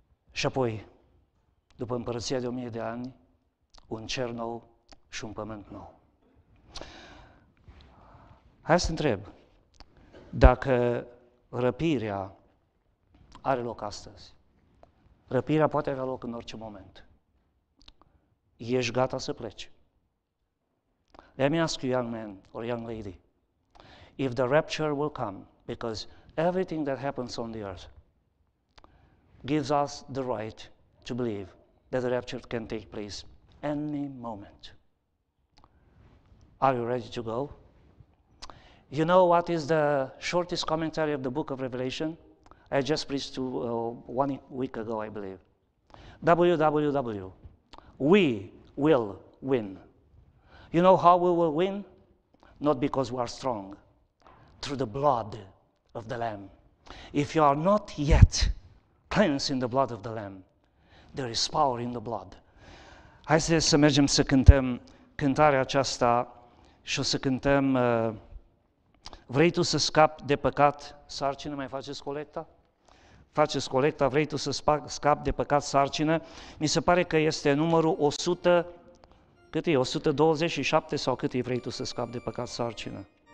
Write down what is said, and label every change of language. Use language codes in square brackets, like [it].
[ro] Și apoi, după împărăția de 1000 de ani, un cer nou și un pământ nou. Hai să întreb, dacă răpirea are loc astăzi, răpirea poate avea loc în orice moment, ești gata să pleci? [en] Let me ask you, young man or young lady, if the rapture will come, because everything that happens on the earth gives us the right to believe that the rapture can take place any moment. Are you ready to go? You know what is the shortest commentary of the book of Revelation? I just preached to 1 week ago, I believe. WWW. We will win. You know how we will win? Not because we are strong. Through the blood of the Lamb. If you are not yet cleansed in the blood of the Lamb, there is power in the blood. [ro] Hai să mergem să cântăm cântarea aceasta și o să cântăm Vrei tu să scapi de păcat, sarcină, mai faceți colecta? Faceți colecta, vrei tu să scapi de păcat, sarcină? Mi se pare că este numărul 100, cât e, 127 sau cât e vrei tu să scapi de păcat, sarcină?